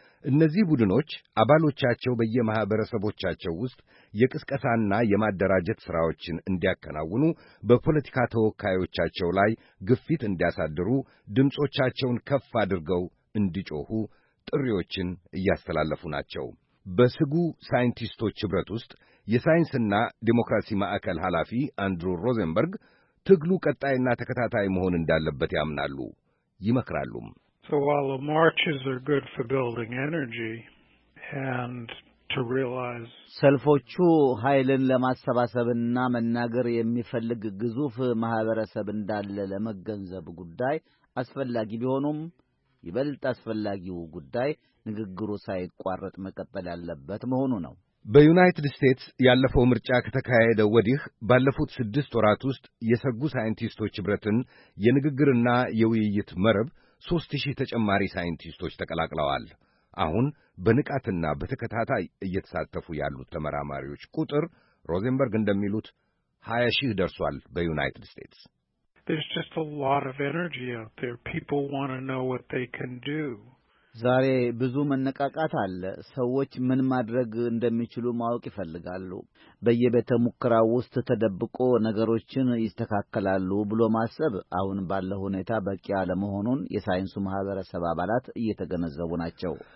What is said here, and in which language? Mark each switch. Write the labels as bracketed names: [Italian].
[Amharic] እነዚህ ቡድኖች አባሎቻቸው በየማህበረሰቦቻቸው ውስጥ የቅስቀሳና የማደራጀት ሥራዎችን እንዲያከናውኑ፣ በፖለቲካ ተወካዮቻቸው ላይ ግፊት እንዲያሳድሩ፣ ድምጾቻቸውን ከፍ አድርገው እንዲጮሁ ጥሪዎችን እያስተላለፉ ናቸው። በስጉ ሳይንቲስቶች ኅብረት ውስጥ የሳይንስና ዲሞክራሲ ማዕከል ኃላፊ አንድሩ ሮዘንበርግ ትግሉ ቀጣይና ተከታታይ መሆን እንዳለበት ያምናሉ፣ ይመክራሉም። [English] So while the marches are good for building energy and to realize [Amharic] ሰልፎቹ ኃይልን ለማሰባሰብና መናገር የሚፈልግ ግዙፍ ማህበረሰብ እንዳለ ለመገንዘብ ጉዳይ አስፈላጊ ቢሆኑም ይበልጥ አስፈላጊው ጉዳይ ንግግሩ ሳይቋረጥ መቀጠል ያለበት መሆኑ ነው። በዩናይትድ ስቴትስ ያለፈው ምርጫ ከተካሄደ ወዲህ ባለፉት 6 ወራት ውስጥ የሰጉ ሳይንቲስቶች ኅብረትን የንግግርና የውይይት መረብ 3000 ተጨማሪ ሳይንቲስቶች ተቀላቅለዋል። አሁን በንቃትና በተከታታይ እየተሳተፉ ያሉት ተመራማሪዎች ቁጥር ሮዘንበርግ እንደሚሉት 20000 ደርሷል። በዩናይትድ ስቴትስ [English] There's just a lot of energy out there. People want to know what they can do. [Amharic] ዛሬ ብዙ መነቃቃት አለ። ሰዎች ምን ማድረግ እንደሚችሉ ማወቅ ይፈልጋሉ። በየቤተ ሙከራው ውስጥ ተደብቆ ነገሮችን ይስተካከላሉ ብሎ ማሰብ አሁን ባለው ሁኔታ በቂ አለመሆኑን የሳይንሱ ማህበረሰብ አባላት እየተገነዘቡ ናቸው።